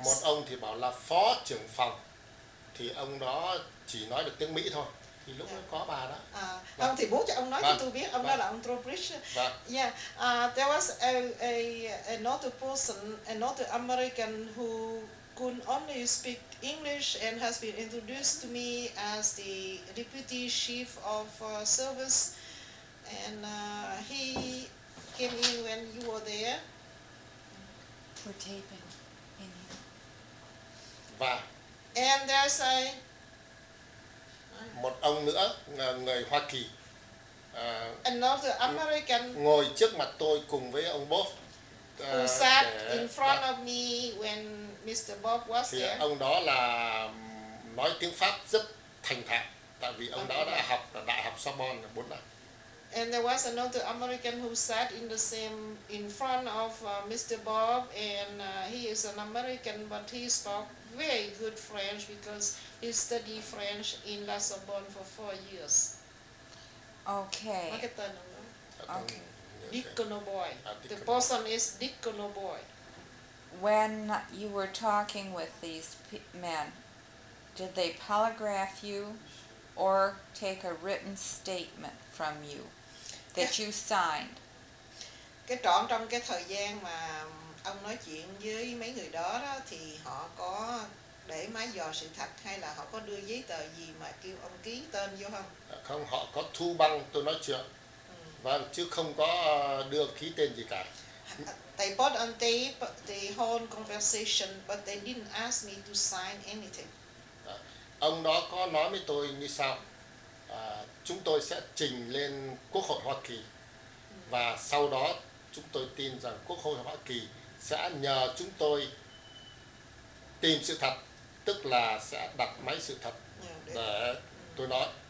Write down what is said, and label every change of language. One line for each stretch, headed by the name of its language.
Vietnamese: Một ông thì bảo là phó trưởng phòng. Thì ông đó chỉ nói được tiếng Mỹ thôi. Thì lúc đó có bà đó. Ông thì bố cho ông nói cho tôi biết. Ông đó là ông Trowbridge.
English: There was another person, another American who could only speak English and has been introduced to me as the deputy chief of service. And he came in when you were there. For taping in here.
Vietnamese: Và
English: and there's a
Vietnamese: một ông nữa người Hoa Kỳ
English: another American
Vietnamese: ngồi trước mặt tôi cùng với ông Bob
English: who sat in front of me when Mr. Bob was
Vietnamese: thì
English: there.
Vietnamese: Ông đó là nói tiếng Pháp rất thành thạo tại vì ông đó đã học ở Đại học Sorbonne 4 năm.
English: And there was another American who sat in the same in front of Mr. Bob, and he is an American, but he spoke very good French because he studied French in La Sorbonne for 4 years. Okay. What's the name? Okay. Dick Conoboy. The person is Dick Conoboy. When you were talking with these men, did they polygraph you or take a written statement from you? That you signed.
Vietnamese: Cái trọn trong cái thời gian mà ông nói chuyện với mấy người đó đó thì họ có để máy dò sự thật hay là họ có đưa giấy tờ gì mà kêu ông ký tên vô không? Không, họ có thu băng tôi nói chuyện. Vâng, chứ không có đưa ký tên gì cả.
English: They put on tape the whole conversation but they didn't ask me to sign anything.
Vietnamese: Ông đó có nói với tôi như sau. Chúng tôi sẽ trình lên Quốc hội Hoa Kỳ và sau đó chúng tôi tin rằng Quốc hội Hoa Kỳ sẽ nhờ chúng tôi tìm sự thật, tức là sẽ đặt máy sự thật để tôi nói.